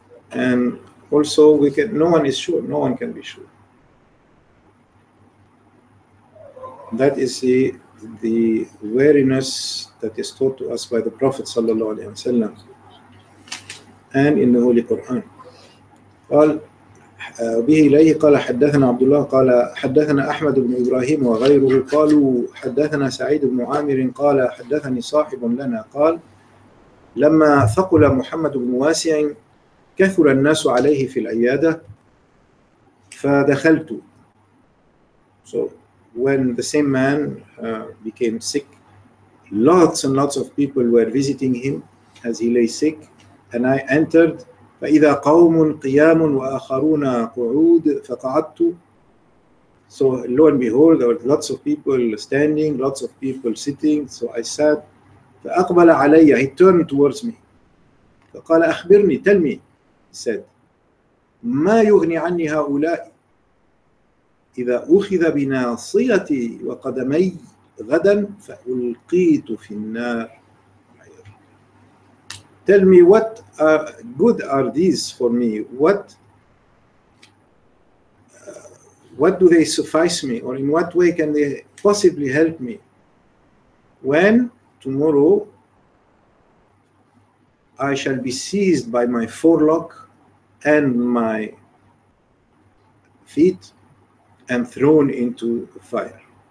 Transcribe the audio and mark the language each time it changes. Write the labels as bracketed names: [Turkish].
[English] And also, we can, no one is sure, no one can be sure. That is the wariness that is taught to us by the Prophet sallallahu alaihi wasallam and in the Holy Quran. [Arabic] قال به إليه قال حدثنا عبد الله قال حدثنا أحمد بن إبراهيم وغيره قالوا حدثنا سعيد بن عامر قال حدثني صاحب لنا قال لما ثقل محمد بن واسع كثر الناس عليه في العيادة فدخلت. [English] So when the same man became sick, lots and lots of people were visiting him as he lay sick, and I entered. [Arabic] فَإِذَا قَوْمٌ قِيَامٌ وَآخَرُونَ قُعُودٌ فَقَعَدْتُ. [English] So lo and behold, there were lots of people standing, lots of people sitting, so I sat. [Arabic] فَأَقْبَلَ عَلَيَّ, [English] he turned towards me. [Arabic] فَقَالَ أَخْبِرْنِي, [English] tell me, he said, [Arabic] مَا يُغْنِي عَنِّي هَؤُلَاءِ إذا أخذ بناصيتي وقدمي غدا فألقيت في النار. [English] Tell me what good are these for me? What do they suffice me? Or in what way can they possibly help me? When tomorrow I shall be seized by my forelock and my feet and thrown into the fire.